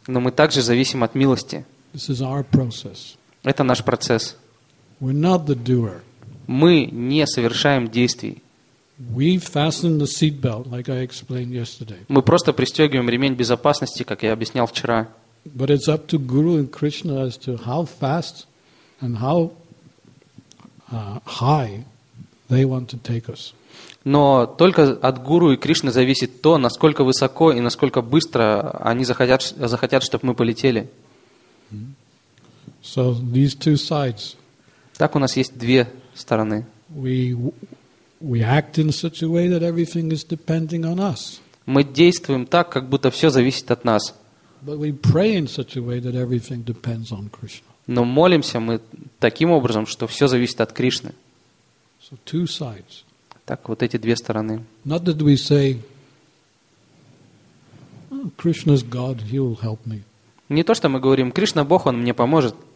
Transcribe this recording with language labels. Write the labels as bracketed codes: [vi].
[ru] Но мы также зависим от милости. [en] This is our process. [ru] Это наш процесс. [en] We're not the doer. [ru] Мы не совершаем действий. [en] We fasten the seat belt, like I explained yesterday. [ru] Мы просто пристегиваем ремень безопасности, как я объяснял вчера. [en] But it's up to Guru and Krishna as to how fast and how high they want to take us. [ru] Но только от Гуру и Кришны зависит то, насколько высоко и насколько быстро они захотят, чтобы мы полетели. [en] So these two sides. [ru] Так у нас есть две стороны. [en] We act in such a way that everything is depending on us. [ru] Мы действуем так, как будто все зависит от нас. [en] But we pray in such a way that everything depends on Krishna. [ru] Но молимся мы таким образом, что все зависит от Кришны. [en] So two sides. [ru] Так вот эти две стороны. [en] Not that we say, oh, Krishna's God, He will help me. [ru] Не то, что мы говорим, Кришна Бог, Он мне поможет.